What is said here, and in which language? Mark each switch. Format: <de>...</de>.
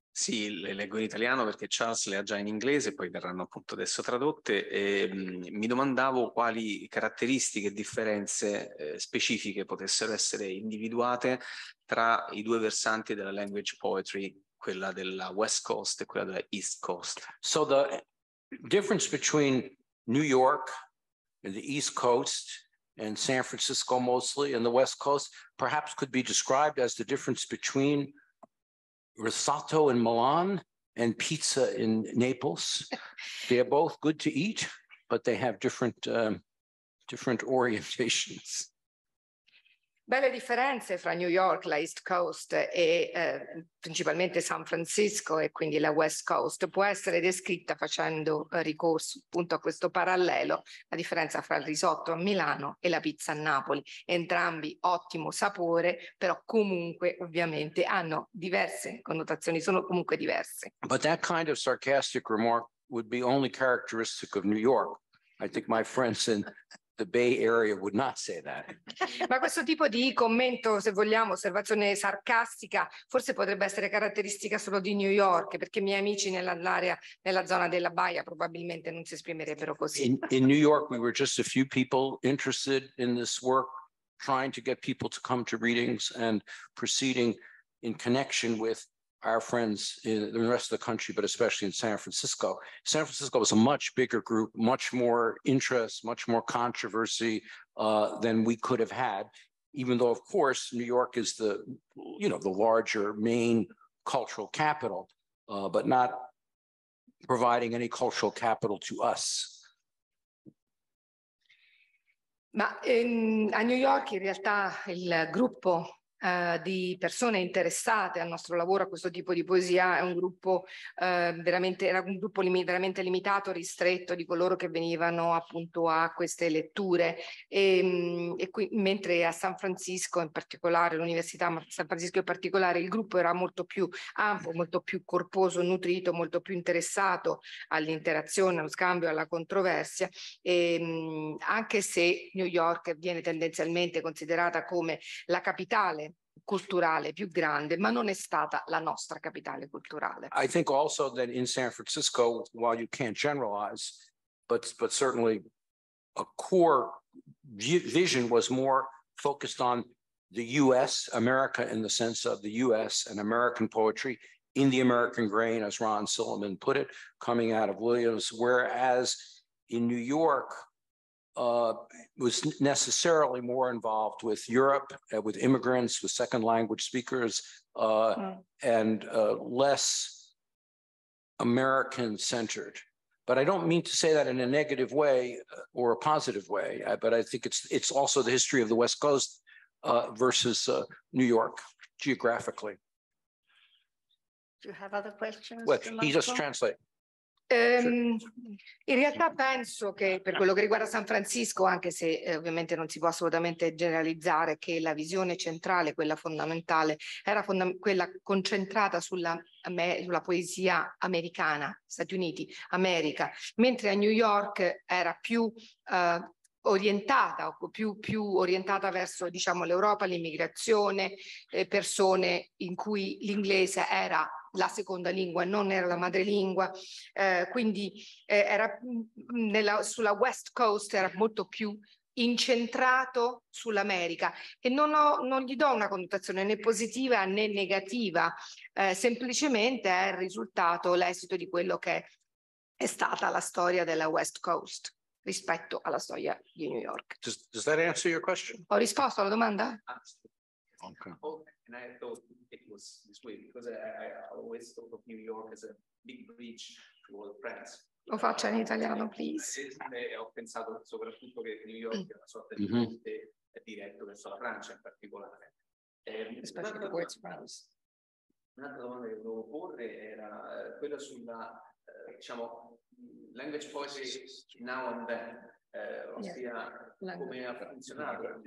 <it>Sì, le leggo in italiano perché Charles le ha già in inglese, poi verranno appunto adesso tradotte. E, mi domandavo quali caratteristiche e differenze specifiche potessero essere individuate tra i due versanti della language poetry, quella della West Coast e quella della East Coast.</it> <en>So the difference between New York and the East Coast and San Francisco mostly and the West Coast perhaps could be described as the difference between risotto in Milan and pizza in Naples. They are both good to eat, but they have different orientations.</en> <it>Belle differenze fra New York, la East Coast, e principalmente San Francisco e quindi la West Coast può essere descritta facendo ricorso appunto a questo parallelo, la differenza fra il risotto a Milano e la pizza a Napoli. Entrambi ottimo sapore, però comunque ovviamente hanno diverse connotazioni, sono comunque diverse.</it> <en>But that kind of sarcastic remark would be only characteristic of New York. I think my friends in the Bay Area would not say that.</en> <it>Ma questo tipo di commento, se vogliamo, osservazione sarcastica, forse potrebbe essere caratteristica solo di New York, perché i miei amici nell'area, nella zona della Baia, probabilmente non si esprimerebbero così.</it> <en>In New York, we were just a few people interested in this work, trying to get people to come to readings and proceeding in connection with our friends in the rest of the country, but especially in San Francisco. San Francisco was a much bigger group, much more interest, much more controversy than we could have had, even though, of course, New York is the, you know, the larger main cultural capital, but not providing any cultural capital to us.</en> <it>Ma a New York, in realtà, il gruppo di persone interessate al nostro lavoro, a questo tipo di poesia, è un gruppo veramente limitato, ristretto, di coloro che venivano appunto a queste letture, mentre a San Francisco in particolare, l'università San Francisco in particolare, il gruppo era molto più ampio, molto più corposo, nutrito, molto più interessato all'interazione, allo scambio, alla controversia, anche se New York viene tendenzialmente considerata come la capitale culturale più grande, ma non è stata la nostra capitale culturale.</it> <en>I think also that in San Francisco, while you can't generalize, but certainly a core vision was more focused on the U.S., America in the sense of the U.S. and American poetry in the American grain, as Ron Silliman put it, coming out of Williams, whereas in New York, was necessarily more involved with Europe, with immigrants, with second language speakers, and less American-centered. But I don't mean to say that in a negative way or a positive way, but I think it's also the history of the West Coast versus New York geographically. Do you have other questions? Well, he just translate.</en> <it>In realtà penso che per quello che riguarda San Francisco, anche se ovviamente non si può assolutamente generalizzare, che la visione centrale, quella fondamentale, era quella concentrata sulla poesia americana, Stati Uniti, America, mentre a New York era più orientata, o più orientata verso, diciamo, l'Europa, l'immigrazione, persone in cui l'inglese era la seconda lingua, non era la madrelingua, quindi era sulla West Coast, era molto più incentrato sull'America, e non gli do una connotazione né positiva né negativa, semplicemente è il risultato, l'esito di quello che è stata la storia della West Coast rispetto alla storia di New York.</it> <en>Does that answer your question?</en> <it>Ho risposto alla domanda?</it> <en>And I thought it was this way because I always thought of New York as a big bridge toward France.</en> <it>Lo faccia in italiano, please. Ho pensato soprattutto che New York è una sorta di ponte diretto verso la Francia in particolare.</it> <en>Especially towards France.</en> <it>Un'altra domanda che volevo porre era quella sulla, diciamo,</it> <en>language poetry now and then,</en> <it>ossia come ha funzionato.</it>